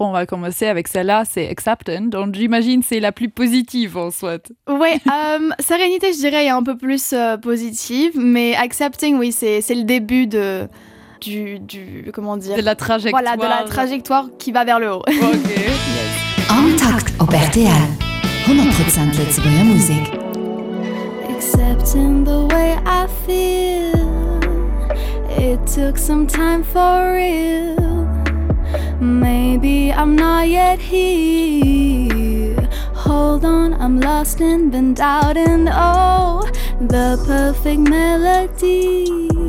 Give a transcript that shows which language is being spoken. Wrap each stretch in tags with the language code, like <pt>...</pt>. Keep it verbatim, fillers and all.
<fr>On va commencer avec celle-là, c'est Acceptance. Donc j'imagine c'est la plus positive en soi. Ouais, euh, Sérénité je dirais est un peu plus euh, positive, mais Accepting oui c'est c'est le début de du du comment dire de la trajectoire. Voilà, de la trajectoire qui va vers le haut. OK.</fr> <lb>En Takt op R T L. hundert Prozent Letzebäuer Musik.</lb> <en>Accepting the way I feel, it took some time for real. Maybe I'm not yet here. Hold on, I'm lost and been doubting. Oh, the perfect melody.</en>